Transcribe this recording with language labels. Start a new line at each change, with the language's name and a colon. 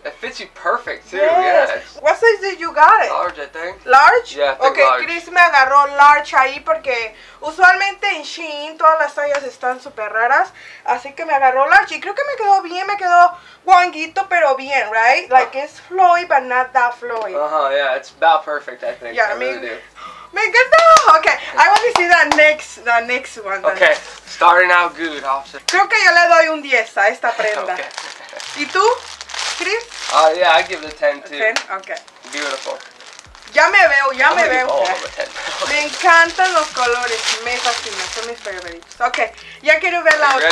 English: It fits you perfect, too. Yes. What size did you got it? Large, I think. Large? Yeah, I think okay, large.
Spanish: Chris me agarró large ahí porque usualmente en Shein todas las tallas están súper raras. Así que me agarró large. Y creo que me quedó bien, me quedó guanguito, pero bien, right?
English: Like, it's flowy, but not that flowy. Uh-huh, yeah, it's about perfect, I think.
Spanish: Yeah, me encantó.
English: Okay, I want to see that next one. Okay, starting out good, officer.
Spanish: Creo que yo le doy un 10 a esta prenda.
English: Okay.
Spanish: ¿Y tú, Chris?
English: Yeah, I give it a 10 too. 10? Okay. Beautiful.
Spanish: Ya me veo. Okay. Me encantan los colores, me fascina, son mis favoritos. Okay, ya quiero ver la otra.